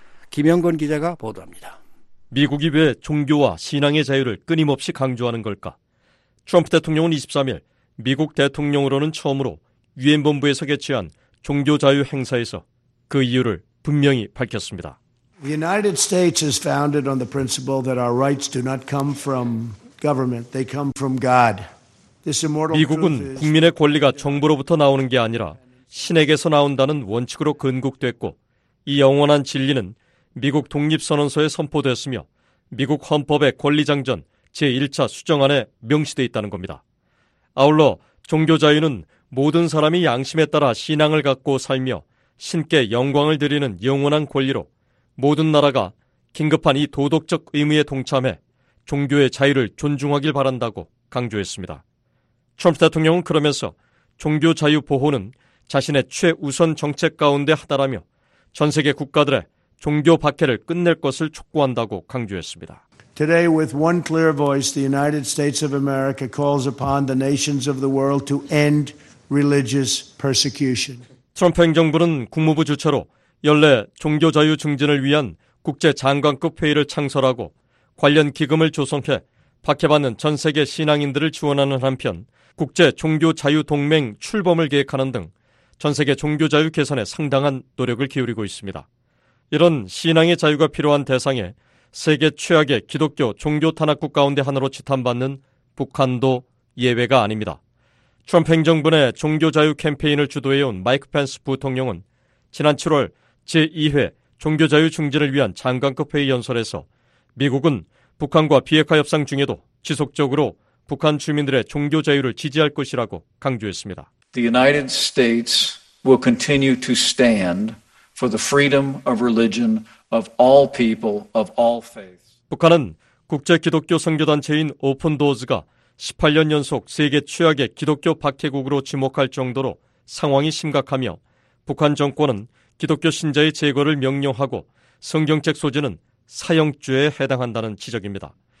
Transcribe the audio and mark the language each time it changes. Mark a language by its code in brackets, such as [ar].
[ko] 김영건 기자가 보도합니다. 미국이 왜 종교와 신앙의 자유를 끊임없이 강조하는 걸까? 트럼프 대통령은 23일 미국 대통령으로는 처음으로 유엔 본부에서 개최한 종교 자유 행사에서 그 이유를 분명히 밝혔습니다. [en] The United States is founded on the principle that our rights do not come from government, they come from God. This immortal truth is [ko] 미국은 국민의 권리가 정부로부터 나오는 게 아니라 신에게서 나온다는 원칙으로 근국됐고 이 영원한 진리는 미국 독립선언서에 선포됐으며 미국 헌법의 권리장전 제1차 수정안에 명시되어 있다는 겁니다. 아울러 종교자유는 모든 사람이 양심에 따라 신앙을 갖고 살며 신께 영광을 드리는 영원한 권리로 모든 나라가 긴급한 이 도덕적 의무에 동참해 종교의 자유를 존중하길 바란다고 강조했습니다. 트럼프 대통령은 그러면서 종교자유 보호는 자신의 최우선 정책 가운데 하나라며 전 세계 국가들의 종교 박해를 끝낼 것을 촉구한다고 강조했습니다. [en] Today with one clear voice the United States of America calls upon the nations of the world to end religious persecution. [ko] 트럼프 행정부는 국무부 주최로 연례 종교 자유 증진을 위한 국제 장관급 회의를 창설하고 관련 기금을 조성해 박해받는 전 세계 신앙인들을 지원하는 한편 국제 종교 자유 동맹 출범을 계획하는 등 전 세계 종교 자유 개선에 상당한 노력을 기울이고 있습니다. 이런 신앙의 자유가 필요한 대상에 세계 최악의 기독교 종교 탄압국 가운데 하나로 지탄받는 북한도 예외가 아닙니다. 트럼프 행정부 내 종교 자유 캠페인을 주도해온 마이크 펜스 부통령은 지난 7월 제2회 종교 자유 증진을 위한 장관급 회의 연설에서 미국은 북한과 비핵화 협상 중에도 지속적으로 북한 주민들의 종교 자유를 지지할 것이라고 강조했습니다. [en] The United States will continue to stand for the freedom of religion of all people of all faiths. [ko] 북한은 국제 기독교 선교 단체인 오픈 도어즈가 18년 연속 세계 최악의 기독교 박해국으로 지목할 정도로 상황이 심각하며 북한 정권은 기독교 신자의 제거를 명령하고 성경책 소지는 사형죄에 해당한다는 지적입니다.